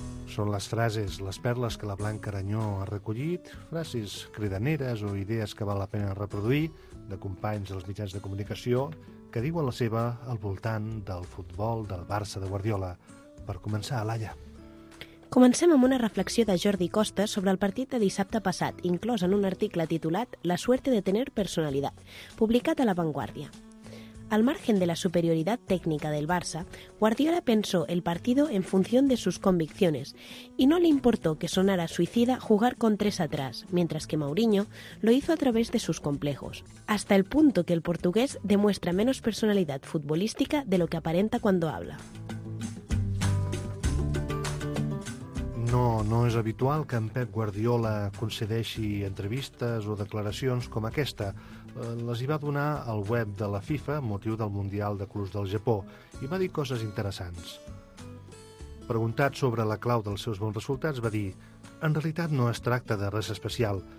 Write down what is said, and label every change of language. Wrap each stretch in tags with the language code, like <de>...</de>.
<ca>Són les frases, les perles que la Blanca Aranyó ha recollit, frases cridaneres o idees que val la pena reproduir, de companys dels mitjans de comunicació, que diuen la seva al voltant del futbol del Barça de Guardiola. Per començar, Laia. Comencem amb una reflexió de Jordi Costa sobre el partit de dissabte passat, inclòs en un article titulat</ca> <es>«La suerte de tener personalidad»,</es> <ca>publicat a La Vanguardia.</ca> <es>Al margen de la superioridad técnica del Barça, Guardiola pensó el partido en función de sus convicciones y no le importó que sonara suicida jugar con tres atrás, mientras que Mourinho lo hizo a través de sus complejos, hasta el punto que el portugués demuestra menos personalidad futbolística de lo que aparenta cuando habla.</es> <ca>No és habitual que en Pep Guardiola concedeixi entrevistes o declaracions com aquesta. Les hi va donar al web de la FIFA, motiu del Mundial de Clubs del Japó, i va dir coses interessants. Preguntat sobre la clau dels seus bons resultats, va dir: en realitat no es tracta de res especial.</ca>